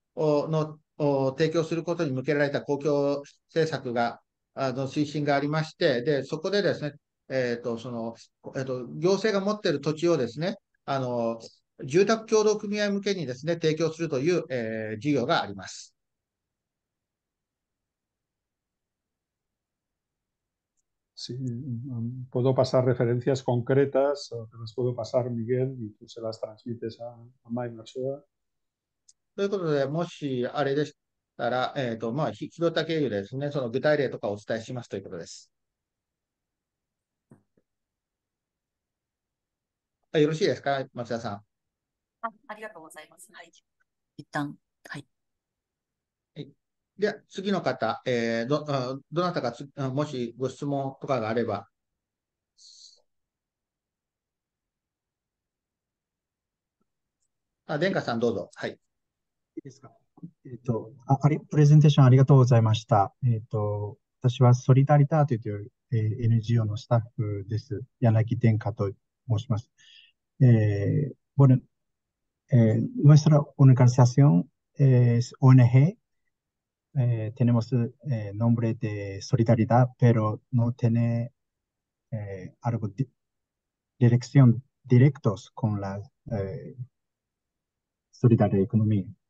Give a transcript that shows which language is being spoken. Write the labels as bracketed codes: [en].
[ja] の提供することに向けられた公共政策が、推進がありまして、でそこでですね、行政が持っている土地をですね、住宅協同組合向けにですね、提供するという、事業があります。 [es] Sí, puedo pasar referencias concretas, te las puedo pasar, Miguel, y tú se las transmites a Maima Shua. [ja] ということで、もしあれでしたら、ひろた経由でですね、その具体例とかをお伝えしますということです。あ、よろしいですか、松田さん。ありがとうございます。はい。一旦、はい。では次の方、どなたかもしご質問とかがあれば。あ、殿下さんどうぞ。はい。いいですか。プレゼンテーションありがとうございました。私はソリダリターという、NGO のスタッフです。柳殿下と申します。 [es] nuestra organización es ONG. Tenemos nombre de solidaridad, pero no tiene algo de dirección directos con la solidaridad economía.